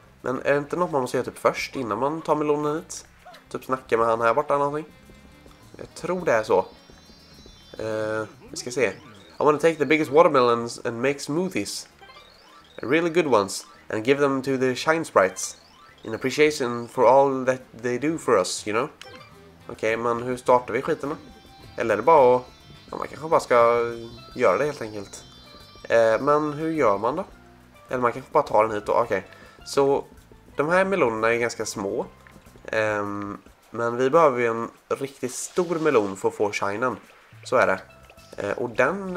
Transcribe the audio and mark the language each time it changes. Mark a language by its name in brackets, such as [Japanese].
[Swedish] Men är det inte något man måste göra typ först innan man tar melonen hit? Typ snacka med han här borta eller någonting? Jag tror det är så. Vi ska se. [English] I want to take the biggest watermelons and make smoothies. Really good ones. And give them to the shine sprites. In appreciation for all that they do for us, you know? [Swedish] Okej, okay, men hur startar vi skiten då? Eller är det bara att... Ja, man kanske bara ska göra det helt enkelt. Men hur gör man då? Eller man kanske bara tar den hit då? Okej. Okay. Så, de här melonerna är ganska små. Men vi behöver ju en riktigt stor melon för att få shinen. Så är det. Och den...